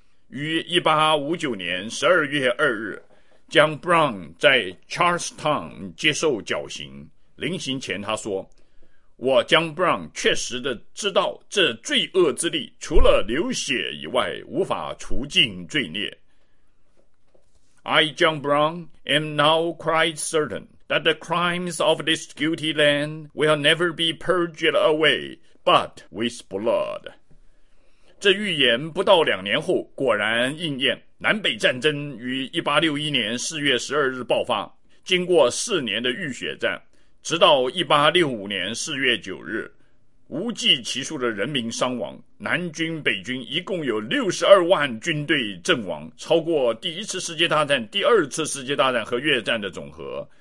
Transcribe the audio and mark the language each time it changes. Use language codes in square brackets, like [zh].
[zh] 于1859年12月2日John Brown 在 Charlestown 接受绞刑，临行前他说，我 John Brown 确实的知道这罪恶之力除了流血以外无法除尽罪孽。 [en] I John Brown am now quite certain that the crimes of this guilty land will never be purged away but with blood。 [zh] 这预言不到两年后果然应验，南北战争于1861年4月12日爆发，经过四年的浴血战，直到1865年4月9日，无计其数的人民伤亡，南军北军一共有62万军队阵亡，超过第一次世界大战、第二次世界大战和越战的总和。